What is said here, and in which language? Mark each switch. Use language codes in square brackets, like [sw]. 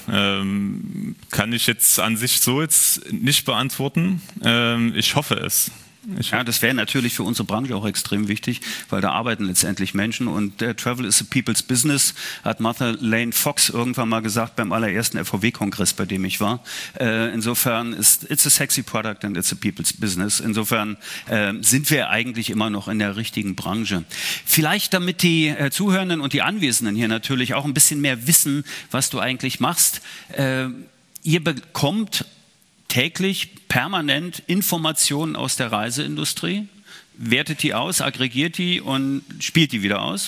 [de] Kann ich jetzt an sich so jetzt nicht beantworten? Ich hoffe es. Ja, das wäre natürlich für unsere Branche auch extrem wichtig, weil da arbeiten letztendlich Menschen und [en] Travel is a people's business, [de] hat Martha Lane Fox irgendwann mal gesagt beim allerersten FVW-Kongress, bei dem ich war. Insofern ist [en] it's a sexy product and it's a people's business. [de] Insofern sind wir eigentlich immer noch in der richtigen Branche. Vielleicht damit die Zuhörenden und die Anwesenden hier natürlich auch ein bisschen mehr wissen, was du eigentlich machst. Ihr bekommt täglich permanent Informationen aus der Reiseindustrie, wertet die aus, aggregiert die und spielt die wieder aus?